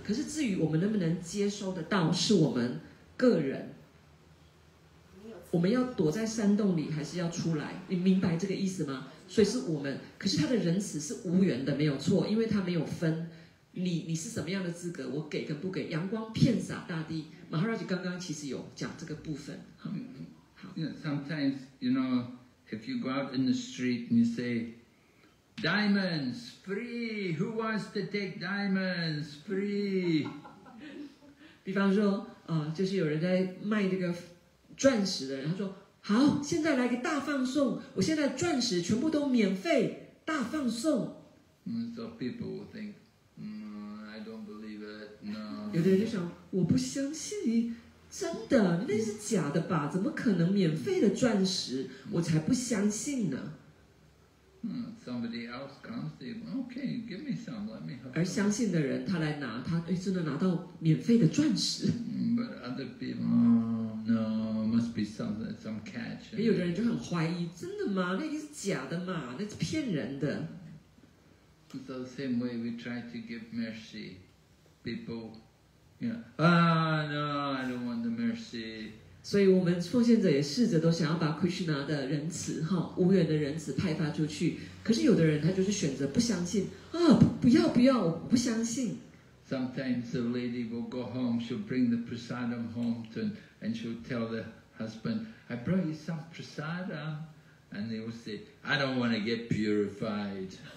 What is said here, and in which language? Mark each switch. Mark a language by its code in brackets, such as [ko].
[zh] 可是至于我们能不能接收得到，是我们个人。我们要躲在山洞里还是要出来，你明白这个意思吗？所以是我们，可是他的仁慈是无缘的，没有错，因为他没有分你是什么样的资格，我给跟不给。阳光遍洒大地， Maharaj 刚刚其实有讲这个部分。 [en] Sometimes you know if you go out in the street and you say diamonds free, who wants to take diamonds free? [zh] 比方说就是有人在卖这个钻石的人，他说好，现在来个大放送，我现在钻石全部都免费大放送。 [en] So people will think, I don't believe it, no. [zh] 有的人就想，我不相信，真的，那是假的吧，怎么可能免费的钻石，我才不相信呢。 [en] Somebody else comes, they say, okay, give me some, let me have. [zh] 而相信的人他来拿，他真的拿到免费的钻石。 [en] But other people, no, must be some catch. [zh] 也有的人就很怀疑，真的吗？那是假的嘛？那是骗人的。 [en] So the same way we try to give mercy, people, you know, no, I don't want the mercy. [zh] 所以我们奉献者也试着都想要把 Krishna 的仁慈无缘的仁慈派发出去，可是有的人他就是选择不相信啊，不要不要，我不相信。 [en] Sometimes the lady will go home, she'll bring the prasadam home to, and she'll tell the husband, I brought you some prasadam. And they will say, I don't want to get purified.